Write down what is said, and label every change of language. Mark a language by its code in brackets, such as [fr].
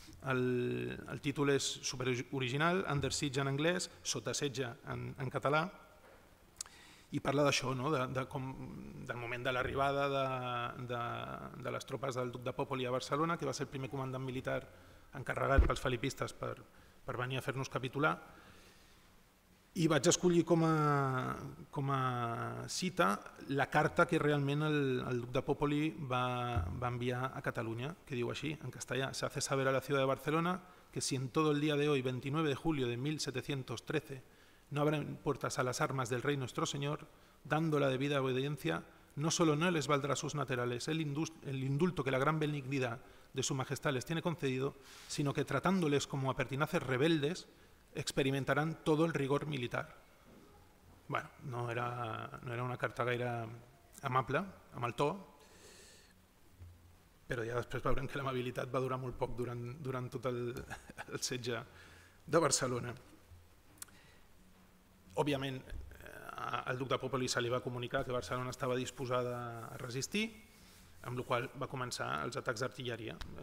[ca] El títol és superoriginal, Under Siege en anglès, Sota setge en català, i parla d'això, no? del moment de l'arribada de les tropes del duc de Pòpoli a Barcelona, que va ser el primer comandant militar encarregat pels felipistes per venir a fer-nos capitular. I vaig escollir com a cita la carta que realment el duc de Pòpoli va enviar a Catalunya, que diu així, en castellà: [es] "Se hace saber a la ciudad de Barcelona que si en todo el día de hoy, 29 de julio de 1713, no abren puertas a las armas del rey nuestro señor, dando la debida obediencia, no solo no les valdrá sus naturales el indulto que la gran benignidad de su majestad les tiene concedido, sino que tratándoles como a pertinaces rebeldes, experimentarán todo el rigor militar." [ca] Bueno, no era una carta gaire amable, amb el to, però ja després veurem que l'amabilitat va durar molt poc durant tot el setge de Barcelona. Òbviament, al duc de Pòpoli se li va comunicar que Barcelona estava disposada a resistir, amb la qual va començar els atacs d'artilleria.